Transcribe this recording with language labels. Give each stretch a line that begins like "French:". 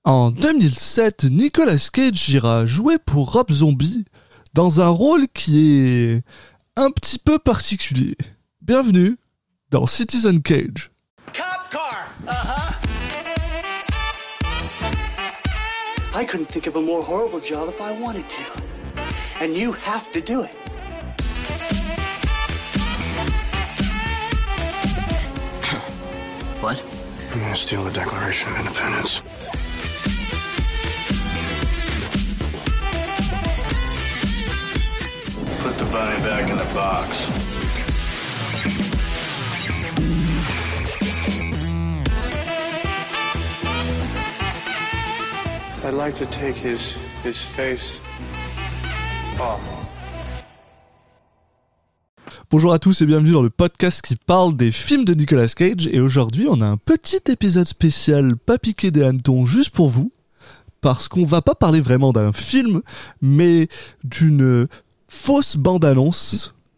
French: En 2007, Nicolas Cage ira jouer pour Rob Zombie dans un rôle qui est un petit peu particulier. Bienvenue dans Citizen Cage.
English: Cop car. I couldn't think of a more horrible job if I wanted to. And you have to do it. What? I'm gonna steal the Declaration of Independence. Put the bunny back in the box. I'd like to take his face off.
French: Bonjour à tous et bienvenue dans le podcast qui parle des films de Nicolas Cage. Et aujourd'hui, on a un petit épisode spécial pas piqué des hannetons juste pour vous. Parce qu'on va pas parler vraiment d'un film, mais d'une fausse bande-annonce.